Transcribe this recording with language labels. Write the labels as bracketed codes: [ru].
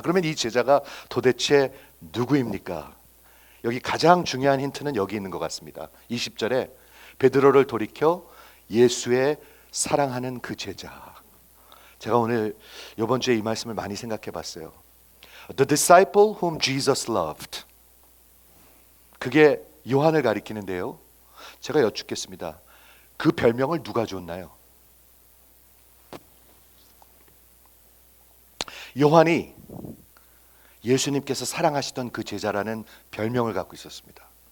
[ko] 그러면 이 제자가 도대체 누구입니까? 여기 가장 중요한 힌트는 여기 있는 것 같습니다. 20절에 베드로를 돌이켜 예수의 사랑하는 그 제자. 제가 오늘 이번 주에 이 말씀을 많이 생각해 봤어요. [en] The disciple whom Jesus loved. [ko] 그게 요한을 가리키는데요. 제가 여쭙겠습니다. 그 별명을 누가 줬나요? 요한이 예수님께서 사랑하시던 그 제자라는 별명을 갖고 있었습니다.